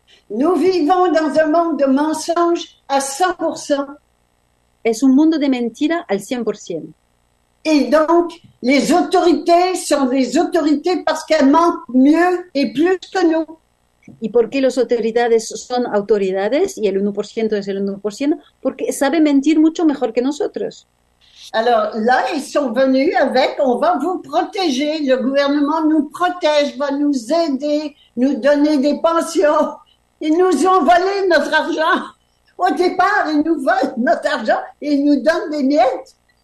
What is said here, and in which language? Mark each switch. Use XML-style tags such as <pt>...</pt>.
<fr>Nous vivons dans un monde de mensonges à 100%.</fr> <es>Es un mundo de mentira al 100%.</es> <fr>Et donc, les autorités sont des autorités parce qu'elles mentent mieux et plus que nous.</fr> <es>¿Y por qué las autoridades son autoridades y el 1% es el 1%? Porque sabe mentir mucho mejor que nosotros.</es> <fr>Alors là, ils sont venus avec, on va vous protéger, le gouvernement nous protège, va nous aider, nous donner des pensions. Ils nous ont volé notre argent. Au départ, ils nous volent notre argent et ils nous donnent des miettes.</fr>